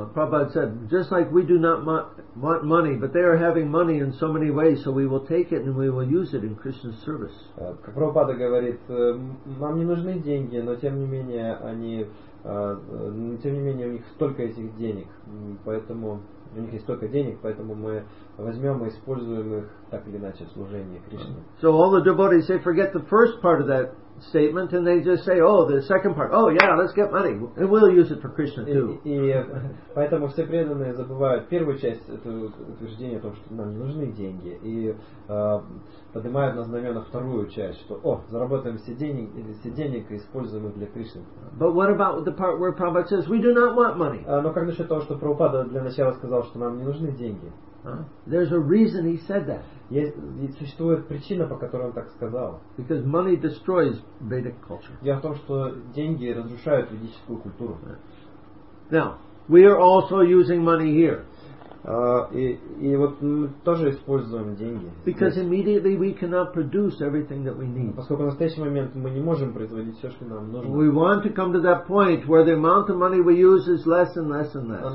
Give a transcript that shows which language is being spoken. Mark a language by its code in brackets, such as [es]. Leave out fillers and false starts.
[en] Prabhupada said, just like we do not want money, but they are having money in so many ways, so we will take it and we will use it in Krishna's service. [ru] Как Прабхупада говорит, нам не нужны деньги, но тем не менее они, тем не менее у них столько этих денег, поэтому У них есть столько денег, поэтому мы возьмем и используем их так или иначе в служении Кришне. [en] So all the devotees, they forget the first part of that statement and they just say, oh, the second part, oh yeah, let's get money and we'll use it for Krishna too. [ru] И поэтому все преданные забывают первую часть этого утверждения о том, что нам не нужны деньги, и поднимают на знамена вторую часть, что, о, заработаем все деньги, или все денег используем их для Кришны. [en] But what about the part where Prabhupada says we do not want money? [ru] Но как насчет того, что Прабхупада для начала сказал, что нам не нужны деньги? [en] There's a reason he said that. [ru] Существует причина, по которой он так сказал. [en] Because money destroys Vedic culture. [ru] Дело в том, что деньги разрушают ведическую культуру. [en] Now, we are also using money here. [ru] И вот мы тоже используем деньги. [en] Because immediately we cannot produce everything that we need. [ru] Поскольку в настоящий момент мы не можем производить все, что нам нужно. [en] We want to come to that point where the amount of money we use is less and less and less.